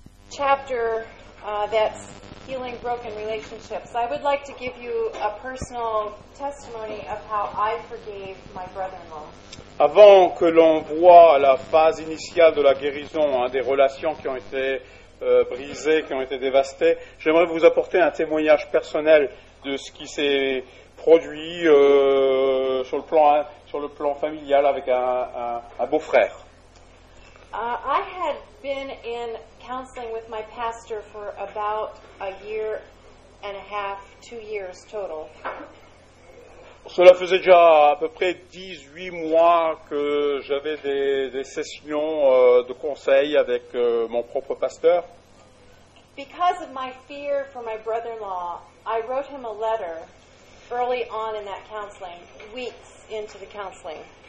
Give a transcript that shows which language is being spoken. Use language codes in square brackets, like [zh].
[en] chapter that's healing broken relationships, I would like to give you a personal testimony of how I forgave my brother-in-law. [fr] Avant que l'on voit la phase initiale de la guérison, hein, des relations qui ont été brisées, qui ont été dévastées, j'aimerais vous apporter un témoignage personnel de ce qui s'est produit sur le plan familial avec un beau-frère. [en] I had been in counseling with my pastor for about a year and a half, 2 years total. [fr] Cela faisait déjà à peu près 18 mois que j'avais des sessions de conseil avec mon propre pasteur. [en] Because of my fear for my brother-in-law, I wrote him a letter early on in that counseling, weeks into the counseling.